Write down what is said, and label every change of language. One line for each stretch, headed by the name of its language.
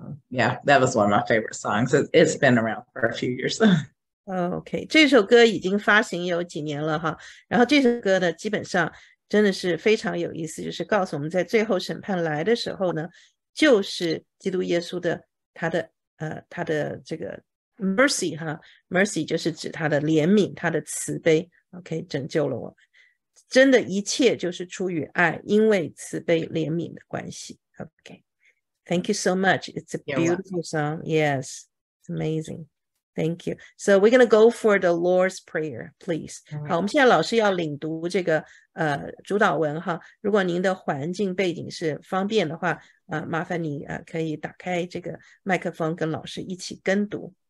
English: Yeah, that was one of my favorite songs. It's been around for a few years.
Chinese: OK, 这首歌已经发行有几年了哈，然后这首歌呢基本上真的是非常有意思，就是告诉我们在最后审判来的时候呢，就是基督耶稣的他的这个 mercy 哈， mercy 就是指他的怜悯，他的慈悲， OK, 拯救了我们，真的一切就是出于爱，因为慈悲怜悯的关系。
English: OK, Thank you so much. It's a beautiful song. Yes, it's amazing. Thank you. So we're going to go for the Lord's Prayer, please.
Chinese: 好，我们现在老师要领读这个主导文哈。如果您的环境背景是方便的话，麻烦你可以打开这个麦克风跟老师一起跟读。